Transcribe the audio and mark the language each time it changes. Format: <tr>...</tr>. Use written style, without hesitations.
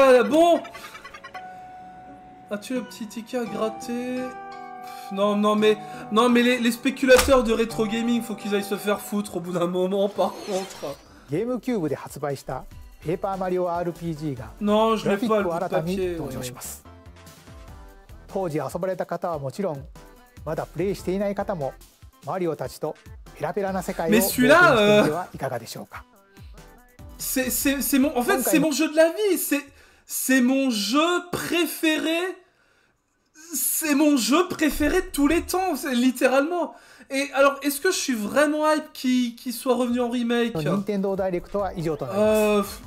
<fr>Bon. As-tu le petit ticket à gratter? Non mais les spéculateurs de rétro gaming, faut qu'ils aillent se faire foutre au bout d'un moment par contre.</fr> <ja>GameCube で発売したペーパーマリオ RPG がグラフィックを新たに登場します。当時遊ばれた方はもちろん、まだプレイしていない方もマリオたちとペラペラな世界を冒険してみてはいかがでしょうか。</ja> <fr>En fait, c'est mon jeu de la vie. C'est mon jeu préféré. C'est mon jeu préféré de tous les temps, littéralement. Et alors, est-ce que je suis vraiment hype qu'il soit revenu en remake ?</fr> <ja>Nintendo Direct は以上となります</ja>